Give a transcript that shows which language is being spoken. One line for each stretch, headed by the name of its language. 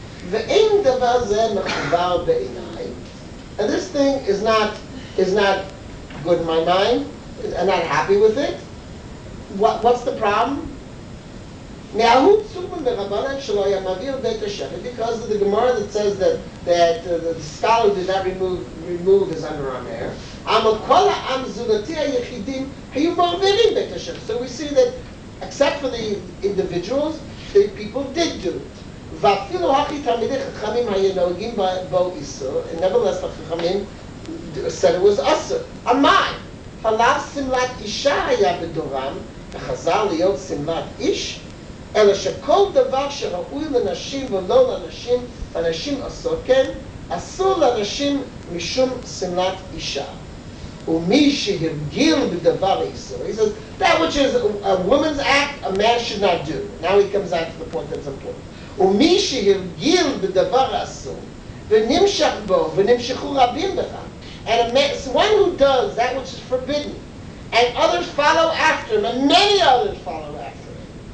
Hebrew: ואין דבר זה מחובר בעיניי.
English: And this thing is not good in my mind. I'm not happy with it. What's the problem?
Hebrew: מההוא פסוק מרבנן שלא היה מעביר בית השחי,
English: because of the Gemara that says that the scholar did not remove his underarm hair.
Hebrew: אמר כל העם זוגתי היחידים היו מעבירים בית השחי.
English: So we see that, except for the individuals, the people did do it.
Hebrew: ואפילו הכי תלמידי חכמים היו נוהגים בו איסור,
English: and nevertheless the חכמים said it was אסור.
Hebrew: אמר, חלב שמלת אישה היה בדורם, וחזר להיות שמלת איש, אלא שכל דבר שראוי לנשים ולא לנשים, לנשים אסור, כן, אסור לנשים משום שמלת אישה. ומי שהרגיל בדבר איסור,
English: he says, that which is a woman's act, a man should not do. Now he comes back to the point that's important.
Hebrew: ומי שהרגיל בדבר אסור, V'nimshach bo, v'nimshachu rabim b'cha.
English: And one who does that which is forbidden, and others follow after him, and many others follow after him.